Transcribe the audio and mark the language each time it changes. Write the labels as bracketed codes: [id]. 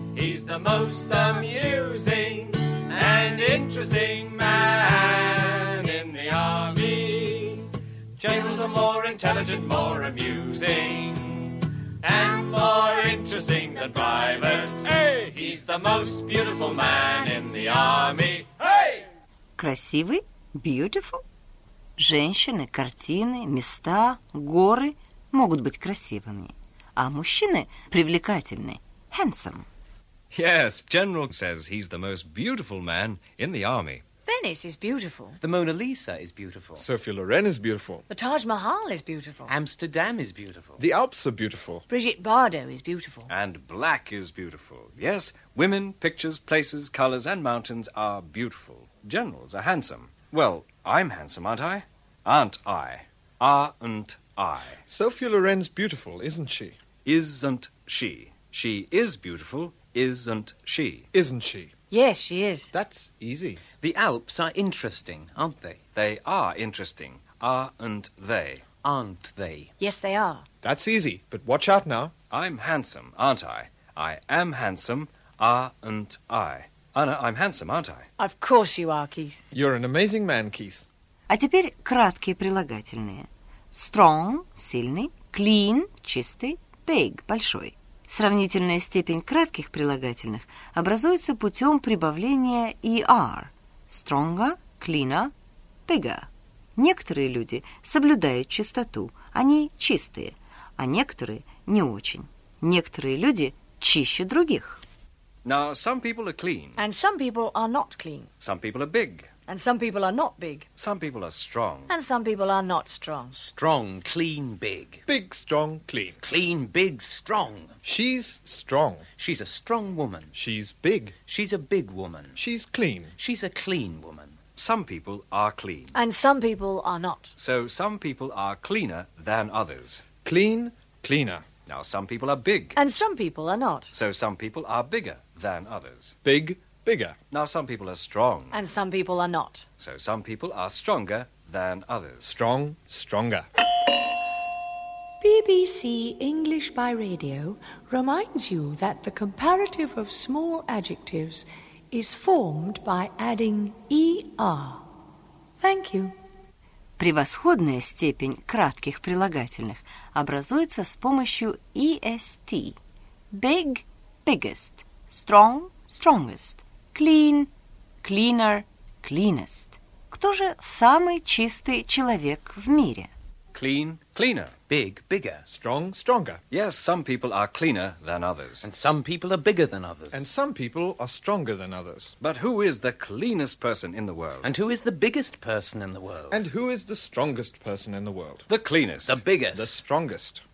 [en] He's the most amusing and interesting man in the army. Generals are more intelligent, more amusing, and more interesting than privates. Hey! He's the most beautiful man in the army. Hey! [ru] Красивый? [en] Beautiful? [ru] Женщины, картины, места, горы могут быть красивыми, а мужчины привлекательны. [en] Handsome. Yes, General says he's the most beautiful man in the army. Venice is beautiful. The Mona Lisa is beautiful. Sophia Loren is beautiful. The Taj Mahal is beautiful. Amsterdam is beautiful. The Alps are beautiful. Brigitte Bardot is beautiful. And black is beautiful. Yes, women, pictures, places, colors, and mountains are beautiful. Generals are handsome. Well, I'm handsome, aren't I? Aren't I? Aren't I? Sophia Loren's beautiful, isn't she? Isn't she? She is beautiful, isn't she? Isn't she? Yes, she is. That's easy. The Alps are interesting, aren't they? They are interesting. Aren't they? Aren't they? Yes, they are. That's easy, but watch out now. I'm handsome, aren't I? I am handsome, aren't I? Anna, I'm handsome, aren't I? Of course you are, Keith. You're an amazing man, Keith. [ru] А теперь краткие прилагательные. [en] Strong – [ru] сильный, [en] clean – [ru] чистый, [en] big – [ru] большой. Сравнительная степень кратких прилагательных образуется путем прибавления ER. [en] Stronger – cleaner – bigger. [ru] Некоторые люди соблюдают чистоту, они чистые, а некоторые – не очень. Некоторые люди чище других. [en] Now, some people are clean. And some people are not clean. Some people are big. And some people are not big. Some people are strong. And some people are not strong. Strong, clean, big. Big, strong, clean. Clean, big, strong. She's strong. She's a strong woman. She's big. She's a big woman. She's clean. She's a clean woman. Some people are clean. And some people are not. So some people are cleaner than others. Clean, cleaner. Now, some people are big. And some people are not. So some people are bigger than others. Big, bigger. Now, some people are strong. And some people are not. So some people are stronger than others. Strong, stronger. BBC English by Radio reminds you that the comparative of small adjectives is formed by adding ER. Thank you. [ru] Превосходная степень кратких прилагательных образуется с помощью EST. [en] Big – biggest. Strong – strongest. Clean – cleaner – cleanest. [ru] Кто же самый чистый человек в мире? [en] Clean – cleaner. Big – bigger. Strong – stronger. Yes, some people are cleaner than others. And some people are bigger than others. And some people are stronger than others. But who is the cleanest person in the world? And who is the biggest person in the world? And who is the strongest person in the world? The cleanest. The biggest. The strongest.